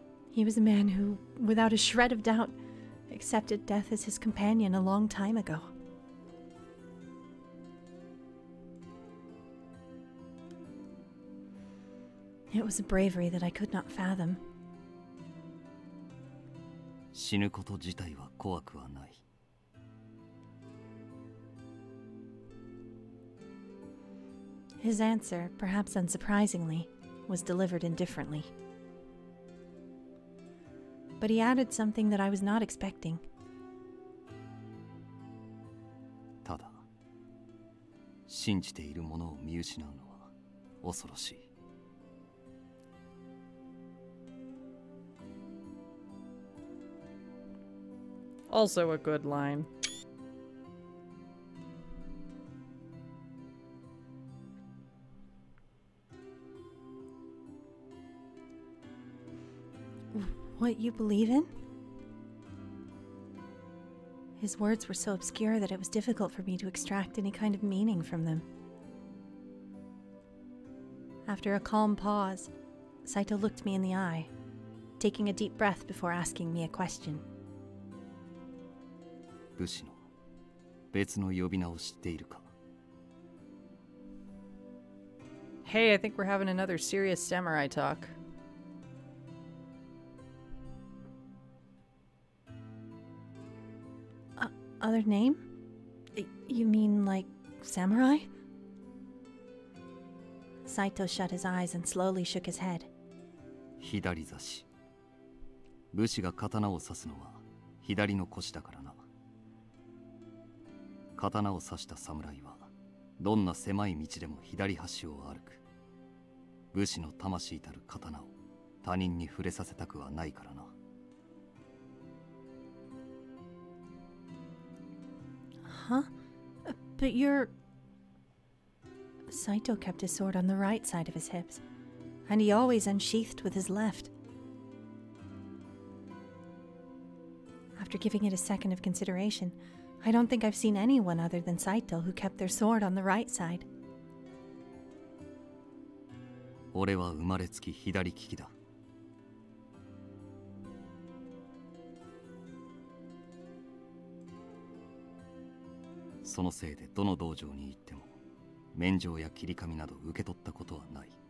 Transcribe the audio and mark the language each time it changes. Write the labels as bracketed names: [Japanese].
[English] He was a man who, without a shred of doubt, accepted death as his companion a long time ago. It was a bravery that I could not fathom. [Japanese] 死ぬこと自体は怖くはない。 [English] His answer, perhaps unsurprisingly, was delivered indifferently. But he added something that I was not expecting. [Japanese] ただ、信じているものを見失うのは恐ろしい。 [English] Also a good line. What you believe in? His words were so obscure that it was difficult for me to extract any kind of meaning from them. After a calm pause, Saito looked me in the eye, taking a deep breath before asking me a question. [Japanese] 武士の別の呼び名を知っているか? [English] Hey, I think we're having another serious samurai talk. Other name? You mean like samurai? Saito shut his eyes and slowly shook his head. [Japanese] 左差し。武士が刀を刺すのは左の腰だからな。刀を刺した侍はどんな狭い道でも左端を歩く。武士の魂たる刀を他人に触れさせたくはないからな。 [English] Huh? But you're... Saito kept his sword on the right side of his hips, and he always unsheathed with his left. After giving it a second of consideration, I don't think I've seen anyone other than Saito who kept their sword on the right side. [Japanese] 俺は生まれつき左利きだ。そのせいでどの道場に行っても免状や切り紙など受け取ったことはない。